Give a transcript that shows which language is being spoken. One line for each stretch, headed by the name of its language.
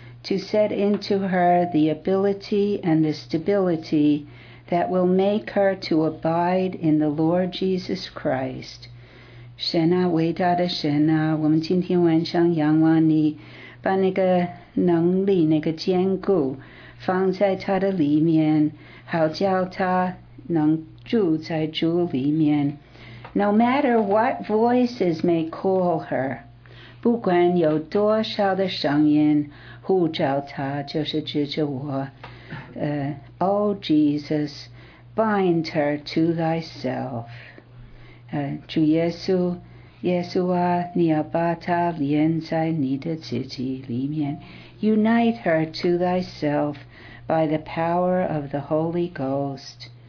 English: to set into her the ability and the stability that will make her to abide in the Lord Jesus Christ.
Chinese: 神啊，伟大的神啊，我们今天晚上仰望你，把那个能力、那个坚固放在他的里面，好叫他能住在主里面。
English: No matter what voices may call her,
Chinese: 不管有多少的声音呼召她，就是指着我。
English: Oh Jesus, bind her to thyself.
Chinese: 主耶稣，耶稣啊，你要把她连在你的自己里面。
English: Unite her to thyself by the power of the Holy Ghost.